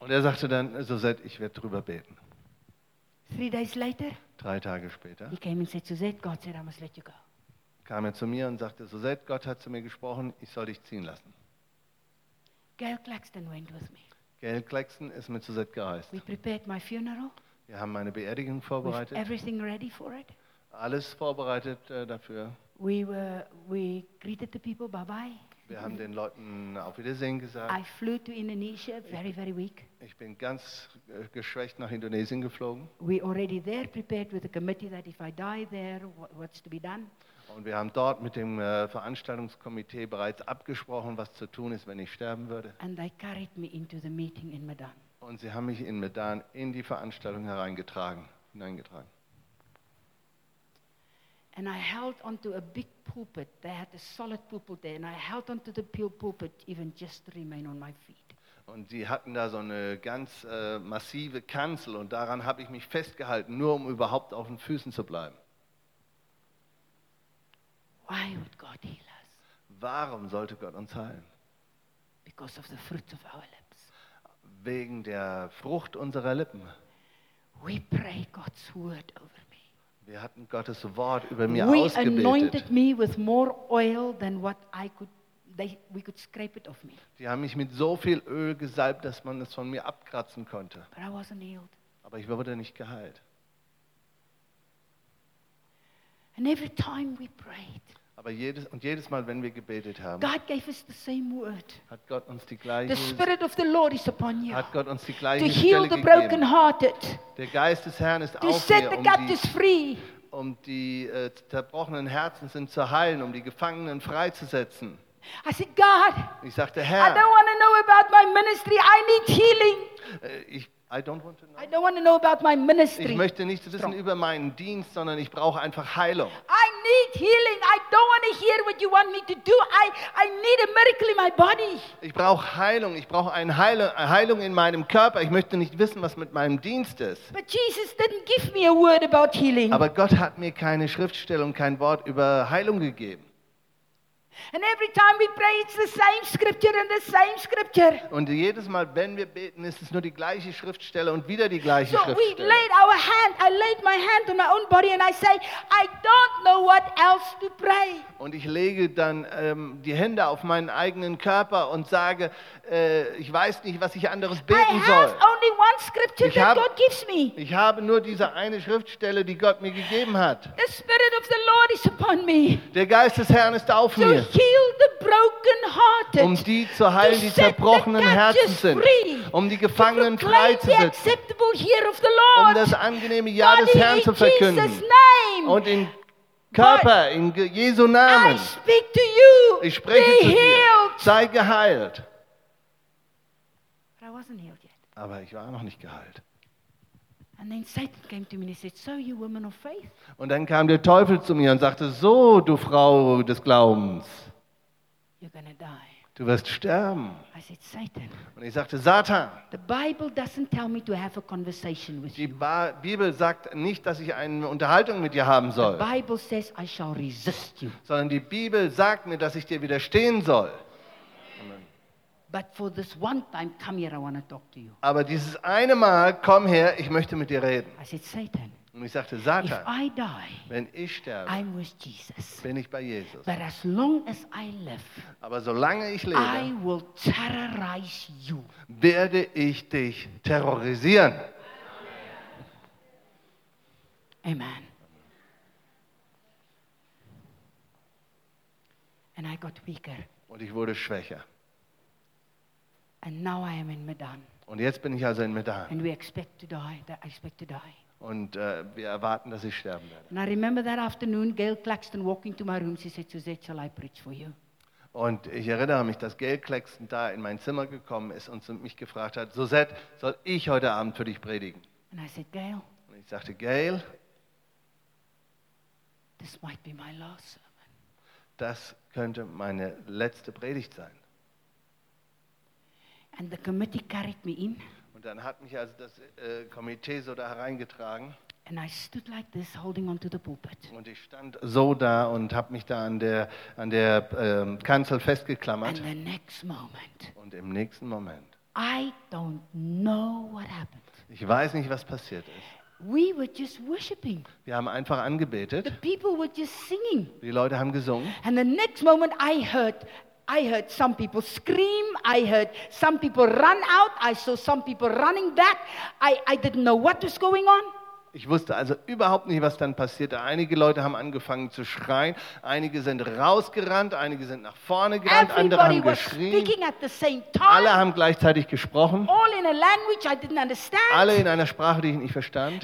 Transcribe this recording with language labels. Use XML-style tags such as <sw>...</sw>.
<de>Und er sagte dann, Suzette, ich werde drüber beten.</de> <en>3 days later,</en> <de>3 Tage später,</de> <en>he came and said, Suzette, God said, I must let you go.</en> <de>Kam er zu mir und sagte, Suzette, Gott hat zu mir gesprochen, ich soll dich ziehen lassen.</de> <en>Gail Claxton went with me.</en> <de>Gail Claxton ist mit Suzette gereist.</de> <en>We prepared my funeral.</en> <de>Wir haben meine Beerdigung vorbereitet.</de> <en>Everything ready for it.</en> <de>Alles vorbereitet dafür.</de> <en>We greeted the people, bye bye.</en> <de>Wir haben den Leuten auf Wiedersehen gesagt.</de> <en>I flew to Indonesia, very, very weak.</en> <de>Ich bin ganz geschwächt nach Indonesien geflogen.</de> <en>We already there prepared with the committee that if I die there, what's to be done?</en> <de>Und wir haben dort mit dem Veranstaltungskomitee bereits abgesprochen, was zu tun ist, wenn ich sterben würde.</de> <en>And they carried me into the meeting in Medan.</en> <de>Und sie haben mich in Medan in die Veranstaltung hineingetragen.</de> <en>And I held onto a big pulpit. They had a solid pulpit there, and I held onto the pulpit even just to remain on my feet.</en> <de>Und sie hatten da so eine ganz massive Kanzel, und daran habe ich mich festgehalten, nur um überhaupt auf den Füßen zu bleiben.</de> <en>Wow. Why would God heal us?</en> <de>Warum sollte Gott uns heilen?</de> <en>Because of the fruits of our lips.</en> <de>Wegen der Frucht unserer Lippen.</de> <en>We pray God's word over.</en> <de>Wir hatten Gottes Wort über mir ausgebetet.</de> <en>We anointed me with more oil than what I could, we could scrape it off me.</en> <de>Die haben mich mit so viel Öl gesalbt, dass man es von mir abkratzen konnte.</de> <en>But I wasn't healed.</en> <de>Aber ich wurde nicht geheilt.</de> <en>And every time we prayed.</en> <de>Aber jedes Mal, wenn wir gebetet haben,</de> <en>God gave us the same word.</en> <de>Hat Gott uns die gleiche.</de> <en>The Spirit of the Lord is upon you.</en> <de>Hat Gott uns die gleiche</de> <en>to heal the broken hearted.</en> <de>Der Geist des Herrn ist</de> <en>to</en> <de>auf</de> <en>set</en> <de>mir,</de> <en>the captives free.</en> <de>Um die zerbrochenen Herzen sind zu heilen, um die Gefangenen freizusetzen.</de> <en>I said, God,</en> <de>ich sagte, Herr,</de> <en>I don't want to know about my ministry. I need healing. I don't want to know about my ministry.</en> <de>Ich möchte nicht wissen über meinen Dienst, sondern ich brauche einfach Heilung.</de> <en>I need healing. I don't want to hear what you want me to do. I need a miracle in my body.</en> <de>Ich brauche Heilung. Ich brauche eine Heilung in meinem Körper. Ich möchte nicht wissen, was mit meinem Dienst ist.</de> <en>But Jesus didn't give me a word about healing.</en> <de>Aber Gott hat mir keine Schriftstellung, kein Wort über Heilung gegeben.</de> <en>And every time we pray, it's the same scripture and the same scripture.</en> <de>Und jedes Mal, wenn wir beten, ist es nur die gleiche Schriftstelle und wieder die gleiche Schriftstelle.</de> <en>So we laid our hand. I laid my hand on my own body, and I say, I don't know what else to pray.</en> <de>Und ich lege dann die Hände auf meinen eigenen Körper und sage, ich weiß nicht, was ich anderes beten soll.</de> <en>I have only one scripture that God gives me.</en> <de>Ich habe nur diese eine Schriftstelle, die Gott mir gegeben hat.</de> <en>The Spirit of the Lord is upon me.</en> <de>Der Geist des Herrn ist auf mir.</de> <en>Heal the broken hearted,</en> <de>um die zu heilen, die zerbrochenen Herzen sind, um die Gefangenen freizusetzen, um das angenehme Jahr des Herrn zu verkünden. Und in Körper, in Jesu Namen, ich spreche zu dir, sei geheilt. Aber ich war noch nicht geheilt.</de> <en>And then Satan came to me and said, "So you woman of faith?"</en> <de>Und dann kam der Teufel zu mir und sagte, so du Frau des Glaubens.</de> <en>You're gonna die.</en> <de>Du wirst sterben.</de> <en>I said, Satan.</en> <de>Und ich sagte, Satan.</de> <en>The Bible doesn't tell me to have a conversation with you.</en> <de>Bibel sagt nicht, dass ich eine Unterhaltung mit dir haben soll.</de> <en>The Bible says I shall resist you.</en> <de>Sondern die Bibel sagt mir, dass ich dir widerstehen soll.</de> <en>But for this one time, come here, I want to talk to you.</en> <de>Aber dieses eine Mal, komm her, ich möchte mit dir reden.</de> <en>I said, Satan.</en> <de>Und ich sagte, Satan,</de> <en>if I die,</en> <de>wenn ich sterbe,</de> <en>I'm with Jesus.</en> <de>Bin ich bei Jesus.</de> <en>But as long as I live,</en> <de>aber solange ich lebe,</de> <en>I will terrorize you.</en> <de>Werde ich dich terrorisieren.</de> <en>Amen. And I got weaker.</en> <de>Und ich wurde schwächer.</de> <en>And now I am in Medan.</en> <de>Und jetzt bin ich also in Medan.</de> <en>And we expect to die. I expect to die.</en> <de>Und wir erwarten, dass ich sterben werde.</de> <en>And I remember that afternoon, Gail Claxton walked into my room. She said, "Suzette, shall I preach for you?"</en> <de>Und ich erinnere mich, dass Gail Claxton da in mein Zimmer gekommen ist und mich gefragt hat, "Suzette, soll ich heute Abend für dich predigen?"</de> <en>And I said, "Gail."</en> <de>Und ich sagte, "Gail."</de> <en>This might be my last sermon.</en> <de>Das könnte meine letzte Predigt sein.</de> <en>And the committee carried me in.</en> <de>Und dann hat mich also das Komitee so da hereingetragen.</de> <en>And I stood like this, holding onto the pulpit.</en> <de>Und ich stand so da und habe mich da an der Kanzel festgeklammert.</de> <en>And the next moment.</en> <de>Und im nächsten Moment.</de> <en>I don't know what happened.</en> <de>Ich weiß nicht, was passiert ist.</de> <en>We were just worshiping.</en> <de>Wir haben einfach angebetet.</de> <en>The people were just singing.</en> <de>Die Leute haben gesungen.</de> <en>And the next moment I heard some people scream, I heard some people run out, I saw some people running back. I didn't know what was going on.</en> <de>Ich wusste also überhaupt nicht, was dann passierte. Einige Leute haben angefangen zu schreien, einige sind rausgerannt, einige sind nach vorne gerannt, andere haben geschrien. Alle haben gleichzeitig gesprochen.</de> <en>All in a language I didn't understand.</en> <de>Alle in einer Sprache, die ich nicht verstand.</de>